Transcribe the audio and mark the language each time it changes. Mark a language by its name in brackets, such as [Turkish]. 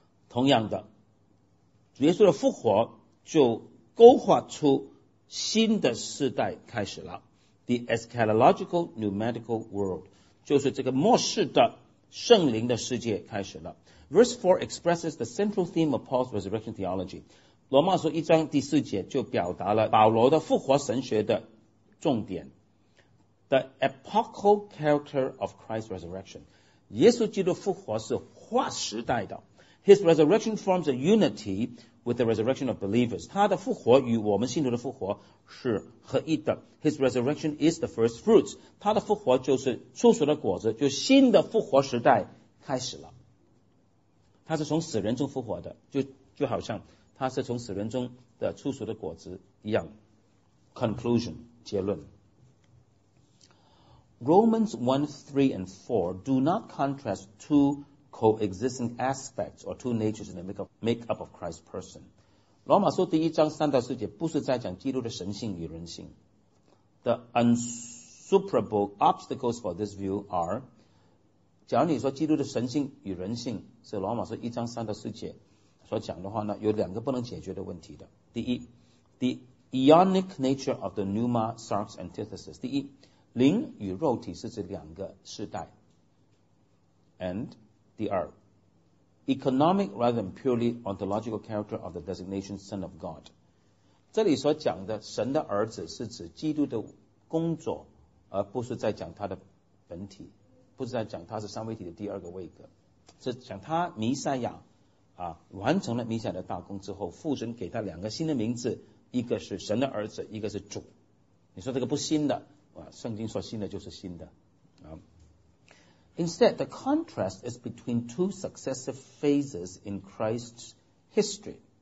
[Chinese] 同样的耶稣的复活就勾画出新的世代开始了 [English] The eschatological pneumatical world [Chinese] 就是这个末世的圣灵的世界开始了。 [English] Verse 4 expresses the central theme of Paul's resurrection theology. [Chinese] 罗马书一章第四节就表达了保罗的复活神学的重点。 [English] The epochal character of Christ's resurrection. [Chinese] 耶稣基督复活是划时代的。 [English] His resurrection forms a unity with the resurrection of believers. [Chinese] 他的复活与我们信徒的复活是合一的。 [English] His resurrection is the first fruits. [Chinese] 他的复活就是初熟的果子，就新的复活时代开始了。他是从死人中复活的，就好像他是从死人中的初熟的果子一样。 [English] Conclusion, 结论。 Romans 1, 3 and 4 do not contrast two coexisting aspects or two natures in the makeup of Christ's person. [Chinese] 罗马书第一章三到四节不是在讲基督的神性与人性。 [English] The insuperable obstacles for this view are, [Chinese] 假如你说基督的神性与人性是罗马书一章三到四节所讲的话呢，有两个不能解决的问题的。 [English] 第一 ,the eonic nature of the pneuma sarx antithesis. [Chinese] 第一灵与肉体是指两个世代。 [English] And,第二 economic rather than purely ontological character of the designation Son of God. [Chinese] 这里所讲的神的儿子是指基督的工作而不是在讲他的本体不是在讲他是三位体的第二个位格是讲他弥赛亚、完成了弥赛亚的大功之后父神给他两个新的名字一个是神的儿子一个是主你说这个不新的、圣经说新的就是新的、 [English] Instead, the contrast is between two successive phases in Christ's history.